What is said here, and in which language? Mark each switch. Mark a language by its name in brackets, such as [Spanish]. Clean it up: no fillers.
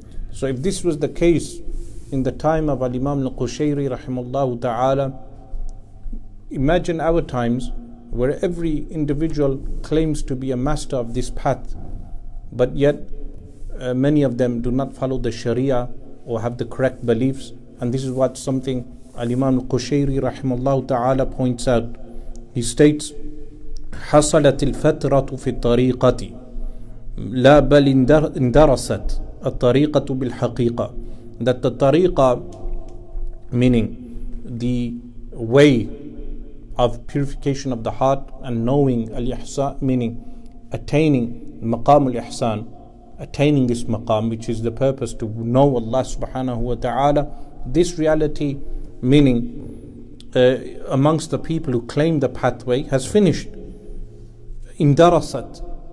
[English] So if this was the case in the time of Al-Imam Al-Qushayri rahimallahu ta'ala, imagine our times, where every individual claims to be a master of this path, but yet many of them do not follow the Sharia or have the correct beliefs. And this is what something Al-Imam Al-Qushayri rahimallahu ta'ala points out. He states, [Arabic] حَصَلَتِ الْفَتْرَةُ فِي الطَّرِيقَةِ لَا بَلْ اندَرَسَتْ الطَّرِيقَةُ بِالْحَقِيقَةِ. [English] That the tariqah, meaning the way of purification of the heart and knowing al-ihsan, meaning attaining maqam al-ihsan, attaining this maqam, which is the purpose to know Allah subhanahu wa ta'ala, this reality, meaning amongst the people who claim the pathway, has finished. Indarasat.